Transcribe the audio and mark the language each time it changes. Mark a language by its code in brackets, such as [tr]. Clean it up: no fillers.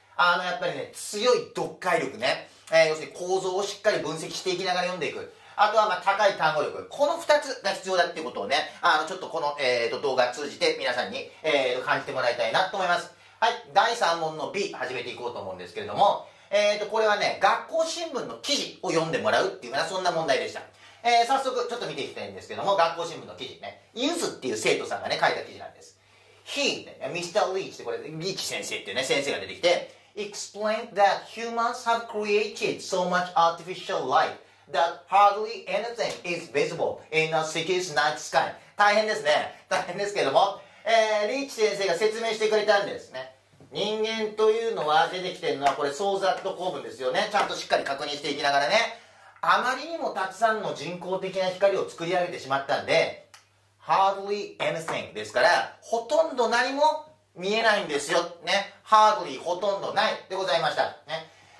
[ja] やっぱりね、強い読解力ね、要するに構造をしっかり分析していきながら読んでいく、あとはまあ高い単語力、この2つが必要だってことをね、ちょっとこの動画通じて皆さんに感じてもらいたいなと思います。はい、第3問の B 始めていこうと思うんですけれども、これはね、学校新聞の記事を読んでもらうっていうような、そんな問題でした。早速ちょっと見ていきたいんですけども、学校新聞の記事ね、ユズっていう生徒さんがね書いた記事なんです。 [en] He、 ミスターリーチ、 [ja] これリーチ先生っていうね先生が出てきて、 [en] Explain that humans have created so much artificial light that hardly anything is visible in a city's night sky。 [ja] 大変ですね、大変ですけども、リーチ先生が説明してくれたんですね。人間というのは出てきてるのはこれ想像と構文ですよね。ちゃんとしっかり確認していきながらね、あまりにもたくさんの人工的な光を作り上げてしまったんで、 [en] hardly anything [ja] ですから、ほとんど何も見えないんですよ、ね、hardly ほとんどないでございました、ね。